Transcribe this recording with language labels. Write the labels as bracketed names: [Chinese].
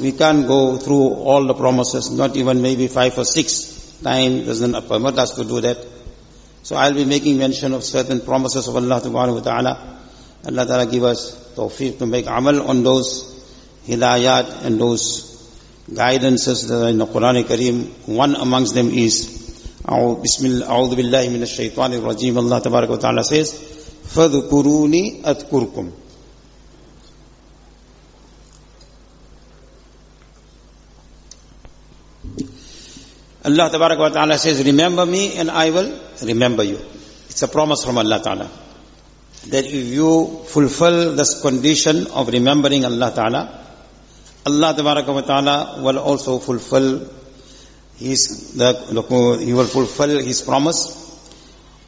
[English] We can't go through all the promises, not even maybe 5 or 6. Time doesn't permit us to do that. So I'll be making mention of certain promises of Allah subhanahu wa ta'ala. Allah ta'ala give us tawfiq to make amal on those hidayat and those guidances that are in the Quran Kareem. One amongst them is, [Arabic] أعوذ بالله من الشيطان الرجيم. [English] Allah tabaraka wa ta'ala says, [Arabic] فَذُكُرُونِي أَذْكُرْكُمْ. [English] Allah tabaraka wa ta'ala says, remember me and I will remember you. It's a promise from Allah ta'ala that if you fulfill this condition of remembering Allah ta'ala, Allah tabaraka wa ta'ala will also fulfill his promise